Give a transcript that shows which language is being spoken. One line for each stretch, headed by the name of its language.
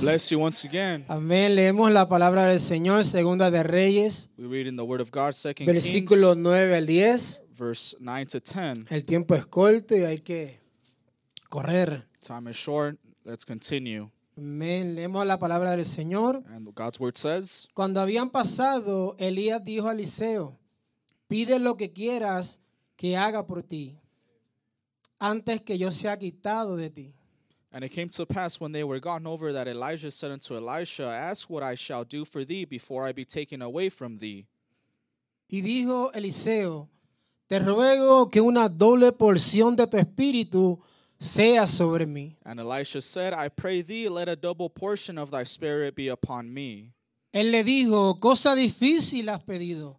English: God bless you once again.
Spanish: Amén. Leemos la palabra del Señor, Segunda de Reyes.
English: We read in the word of God, Second Kings.
Spanish: Versículo 9 al 10.
English: Verse 9 to 10.
Spanish: El tiempo es corto y hay que correr.
English: Time is short. Let's continue.
Spanish: Amén. Leemos la palabra del Señor.
English: And God's word says.
Spanish: Cuando habían pasado, Elías dijo a Eliseo, pide lo que quieras que haga por ti antes que yo sea quitado de ti.
English: And it came to pass when they were gone over that Elijah said unto Elisha, ask what I shall do for thee before I be taken away from thee.
Spanish: Y dijo Eliseo, te ruego que una doble porción de tu espíritu sea sobre mí.
English: And Elisha said, I pray thee, let a double portion of thy spirit be upon me.
Spanish: Él le dijo, cosa difícil has pedido.